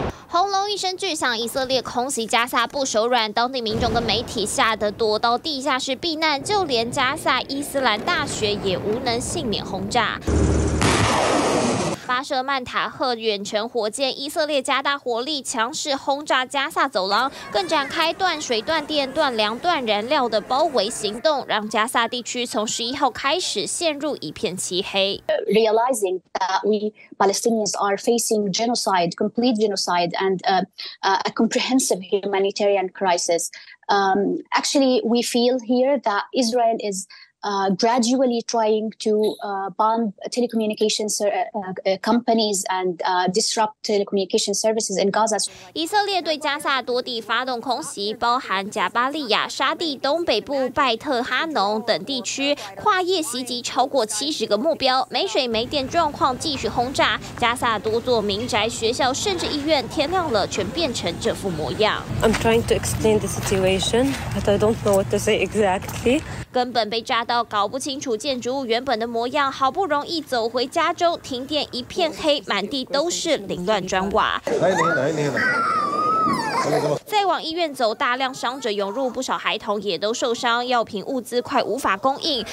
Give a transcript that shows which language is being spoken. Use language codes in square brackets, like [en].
[zh] 轰隆一声巨响，以色列空袭加萨不手软，当地民众跟媒体吓得躲到地下室避难，就连加萨伊斯兰大学也无能幸免轰炸。发射曼塔赫远程火箭，以色列加大火力强势轰炸加萨走廊，更展开断水、断电、断粮、断燃料的包围行动，让加萨地区从11号开始陷入一片漆黑。 [en] Realizing that we Palestinians are facing genocide, complete genocide, and a comprehensive humanitarian crisis, actually we feel here that Israel is. Gradually trying to bomb telecommunications companies and disrupt telecommunication services in Gaza. [zh] 以色列对加萨多地发动空袭，包含贾巴利亚、沙地东北部、拜特哈农等地区，跨夜袭击超过70个目标，没水没电状况继续轰炸。加萨多座民宅、学校甚至医院，天亮了全变成这副模样。 [en] I'm trying to explain the situation, but I don't know what to say exactly. [zh] 根本被炸。到搞不清楚建筑物原本的模样，好不容易走回加州，停电一片黑，满地都是凌乱砖瓦。再往医院走，大量伤者涌入，不少孩童也都受伤，药品物资快无法供应。